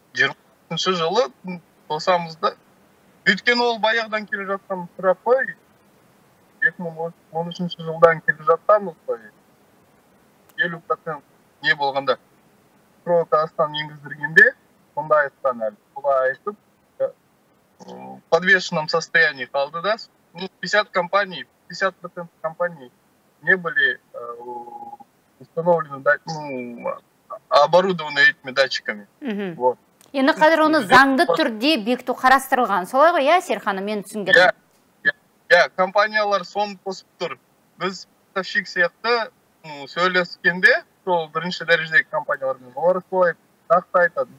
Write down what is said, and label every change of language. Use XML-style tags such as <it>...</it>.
<kk>20-ші жылы болсамызда өткен ол баяғыдан келе жатқан сұрақ, 2013 жылдан келе жатқан ол. Елу процент не болғанда Қазақстан енгіздіргенде онда айтқан әлі бұлай айтып</kk> <ru>подвешенном состоянии</ru> <kk>қалды да.</kk> <ru>50% компаний не были установлены оборудованы этими датчиками.</ru> <kk>Енді қазір оны заңды түрде бекіту қарастырылған. Солай ғой, Серханым, мен түсіндім. Иә, компаниялар соны қосып тұр. Біз тапшық сияқты сөйлескенде сол бірінші дәрежедегі компаниялармен олар солай нақты айтады.</kk>